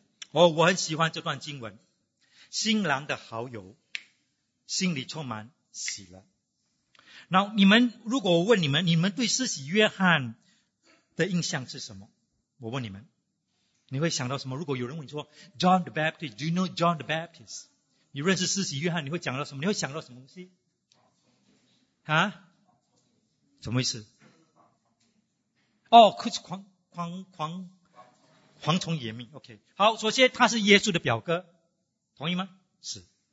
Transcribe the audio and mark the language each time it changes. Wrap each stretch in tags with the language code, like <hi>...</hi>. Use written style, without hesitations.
<zh>哦，我很喜欢这段经文。新郎的好友心里充满喜乐。那你们，如果我问你们，你们对施洗约翰的印象是什么？我问你们，你会想到什么？如果有人问你说</zh> <en>John the Baptist, do you know John the Baptist?</en> <zh>你认识施洗约翰，你会讲到什么？你会想到什么东西？啊？怎么回事？哦，可是蝗虫野命。 OK, 好，首先他是耶稣的表哥，同意吗？是。</zh>